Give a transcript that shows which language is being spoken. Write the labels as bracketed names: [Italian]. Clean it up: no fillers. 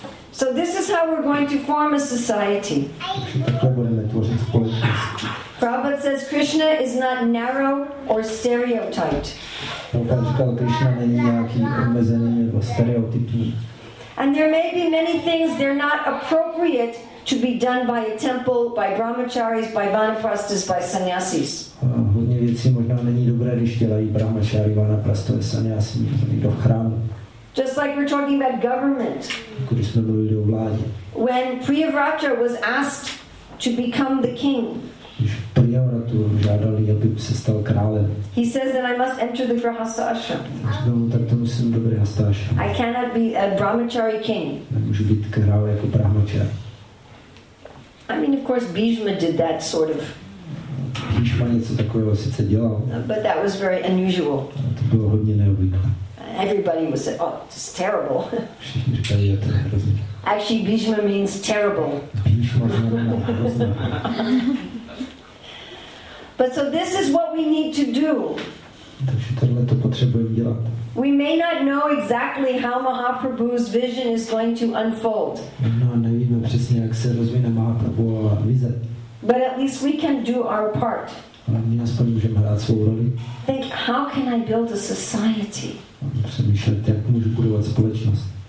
[English] So this is how we're going to form a society. Prabhupada says Krishna is not narrow or stereotyped. And there may be many things they're not appropriate to be done by a temple, by brahmacharis, by vanaprastas, by sannyasis. [Czech] Hodně věcí možná není dobré, když dělají brahmachari, vanaprastové, sannyasi, někdo v chrámu. [English] Just like we're talking about government. [Czech] Když jsme mluvili o vládě. [English] When Priyavrata was asked to become the king. [Czech] Když Priyavratu žádali, aby se stal králem. [English] He says that I must enter the grihastha ashram. [Czech] Říkal, tak to musím do grihastha ashram. [English] I cannot be a brahmachari king. [Czech] Nemůžu být král jako brahmachari. [English] I mean, of course, Bhishma did that sort of. [Czech] Bhishma něco takového sice dělal. [English] But that was very unusual. [Czech] To bylo hodně neobvyklé. [English] Everybody was saying, oh, it's terrible. [Czech] Říkali, to je hrozně. [English] Actually, Bhishma means terrible. [Czech] Bhishma znamená hrozně. [English] But so this is what we need to do. [Czech] Takže tohle to potřebujeme dělat. dělat. [English] We may not know exactly how Mahaprabhu's vision is going to unfold. [Czech] No, nevíme přesně, jak se rozvine Mahaprabhuova vize. [English] But at least we can do our part. [Czech] Ale my aspoň můžeme hrát svou roli. [English] Think, how can I build a society? [Czech] Přemýšlet, jak můžu budovat společnost.